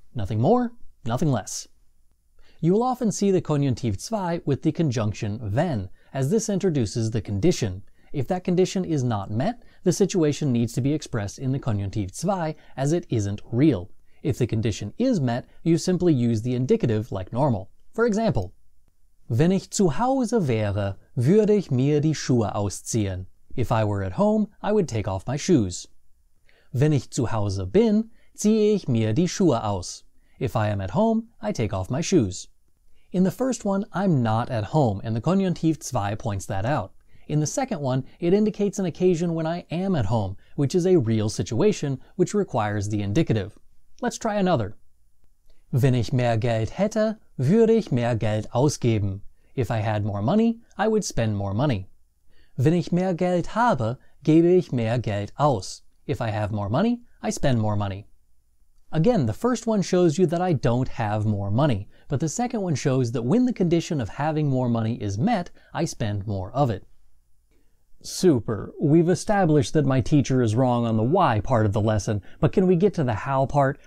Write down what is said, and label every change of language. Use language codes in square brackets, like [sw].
[en] Nothing more, nothing less. You will often see the Konjunktiv 2 with the conjunction wenn, as this introduces the condition. If that condition is not met, the situation needs to be expressed in the Konjunktiv 2, as it isn't real. If the condition is met, you simply use the indicative like normal. For example, [de] wenn ich zu Hause wäre, würde ich mir die Schuhe ausziehen. [en] If I were at home, I would take off my shoes. [de] Wenn ich zu Hause bin, ziehe ich mir die Schuhe aus. [en] If I am at home, I take off my shoes. In the first one, I'm not at home, and the Konjunktiv 2 points that out. In the second one, it indicates an occasion when I am at home, which is a real situation, which requires the indicative. Let's try another. [de] Wenn ich mehr Geld hätte, würde ich mehr Geld ausgeben. [en] If I had more money, I would spend more money. [de] Wenn ich mehr Geld habe, gebe ich mehr Geld aus. [en] If I have more money, I spend more money. Again, the first one shows you that I don't have more money, but the second one shows that when the condition of having more money is met, I spend more of it. Super. We've established that my teacher is wrong on the why part of the lesson, but can we get to the how part?